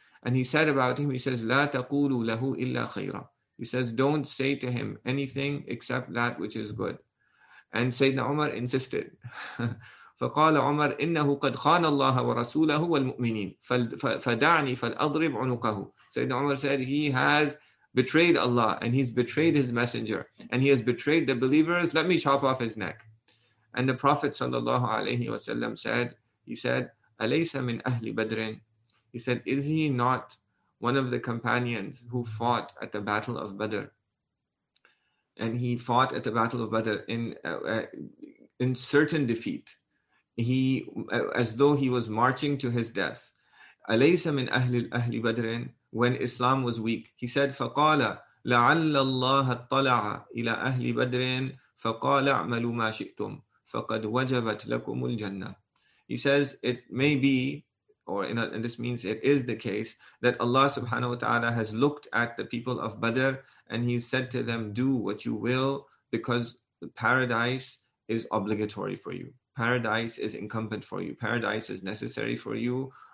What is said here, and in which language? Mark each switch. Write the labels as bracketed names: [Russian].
[English] And he said about him, he says, [Arabic] لا تقولوا له إلا خيرا. [English] He says, don't say to him anything except that which is good. And Sayyidina Umar insisted. [Arabic] فقال عمر إنه قد خان الله ورسوله والمؤمنين فدعني فالأضرب عنقه. [English] Sayyidina Umar said, he has betrayed Allah and he's betrayed his messenger and he has betrayed the believers. Let me chop off his neck. And the Prophet sallallahu alayhi wasallam said, he said, [Arabic] أليس من أهل بدرين. [English] He said, is he not one of the companions who fought at the Battle of Badr? And he fought at the Battle of Badr in certain defeat. He, as though he was marching to his death. [Arabic] أَلَيْسَ مِنْ أَهْلِ بَدْرٍ. [English] When Islam was weak, he said, [Arabic] فَقَالَ لَعَلَّ اللَّهَ اطَّلَعَ إِلَىٰ أَهْلِ بَدْرٍ فَقَالَ اعْمَلُوا مَا شِئْتُمْ فَقَدْ وَجَبَتْ لَكُمُ الْجَنَّةِ. [English] He says, it may be, and this means it is the case, that Allah subhanahu wa ta'ala has looked at the people of Badr and he said to them, do what you will, because paradise is obligatory for you. Paradise is incumbent for you. Paradise is necessary for you.